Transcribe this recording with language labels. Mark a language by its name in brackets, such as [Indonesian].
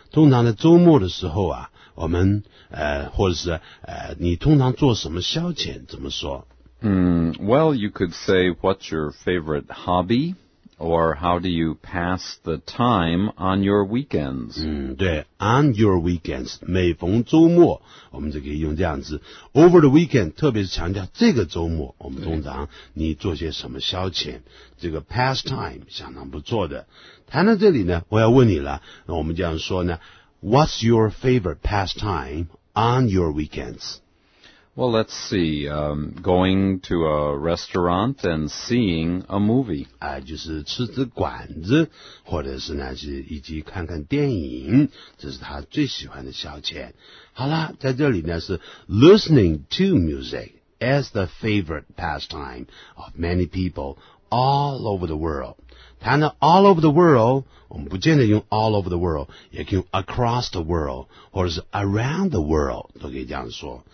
[Chinese] 通常在周末的时候啊，我们或者是你通常做什么消遣？怎么说？ [English] Well, you could say What's your favorite hobby？ Or how do you pass the time on your weekends? [Chinese] 对 , [English] on your weekends, [Chinese] 每逢周末我们就可以用这样子。 [English] Over the weekend, [Chinese] 特别是强调这个周末我们通常你做些什么消遣。这个 pastime 相当不错的。谈到这里呢，我要问你了，那我们这样说呢， [English] What's your favorite pastime on your weekends? Well, let's see, going to a restaurant and seeing a movie. [Chinese] 就是吃吃馆子，或者是呢，是以及看看电影，这是他最喜欢的消遣。好啦，在这里呢是 [English] listening to music as the favorite pastime of many people all over the world. [Chinese] 谈到 [English] all over the world, [Chinese] 我们不见得用 all over the world, 也可以用 across the world, 或者是 around the world, 都可以这样说。